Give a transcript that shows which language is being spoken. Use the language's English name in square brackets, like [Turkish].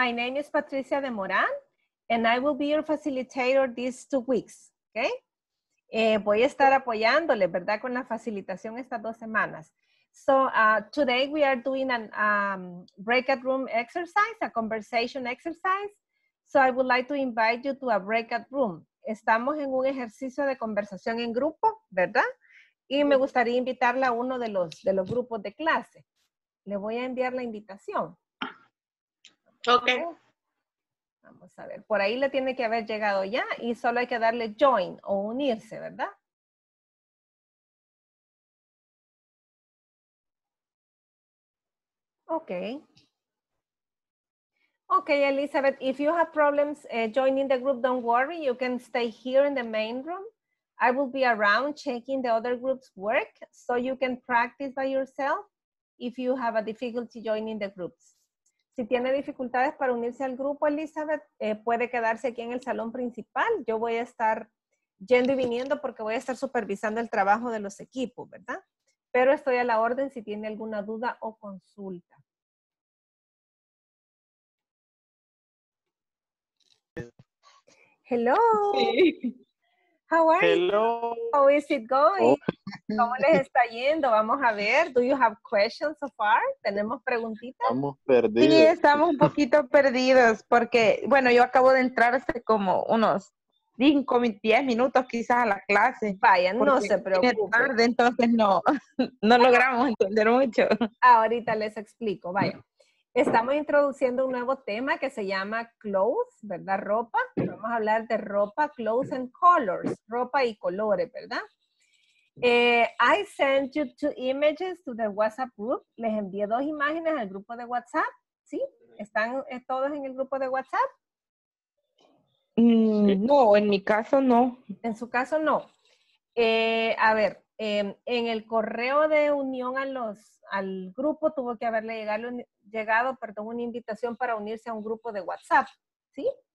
[English] My name is Patricia de Morán, and I will be your facilitator these 2 weeks, okay? [Spanish] Voy a estar apoyándole, ¿verdad?, con la facilitación estas 2 semanas. [English] So, today we are doing an breakout room exercise, a conversation exercise. So, I would like to invite you to a breakout room. [Spanish] Estamos en un ejercicio de conversación en grupo, ¿verdad?, y me gustaría invitarla a uno de los grupos de clase. Le voy a enviar la invitación. [English] Okay. [Spanish] Vamos a ver. Por ahí le tiene que haber llegado ya y solo hay que darle join o unirse, ¿verdad? [English] Okay. Okay, Elizabeth, if you have problems joining the group, don't worry. You can stay here in the main room. I will be around checking the other group's work so you can practice by yourself if you have a difficulty joining the groups. [Spanish] Si tiene dificultades para unirse al grupo, Elizabeth, puede quedarse aquí en el salón principal. Yo voy a estar yendo y viniendo porque voy a estar supervisando el trabajo de los equipos, ¿verdad? Pero estoy a la orden si tiene alguna duda o consulta. [English] Hello. Sí. How are Hello. You? How is it going? Oh. [Spanish] ¿Cómo les está yendo? Vamos a ver. [English] Do you have questions so far? [Spanish] ¿Tenemos preguntitas? Estamos perdidos. Sí, estamos un poquito perdidos porque, bueno, yo acabo de entrar hace como unos 5, 10 minutos quizás a la clase. Vaya, no se preocupen. Porque viene tarde, entonces no logramos entender mucho. Ahorita les explico. Vaya. Estamos introduciendo un nuevo tema que se llama clothes, ¿verdad? Ropa. Vamos a hablar de ropa, [English] clothes and colors, [Spanish] ropa y colores, ¿verdad? [English] I sent you 2 images to the WhatsApp group. [Spanish] Les envié 2 imágenes al grupo de WhatsApp, ¿sí? ¿Están todos en el grupo de WhatsApp? No, en mi caso no. En su caso no. A ver. En el correo de unión al grupo tuvo que haberle llegado, una invitación para unirse a un grupo de WhatsApp, ¿sí?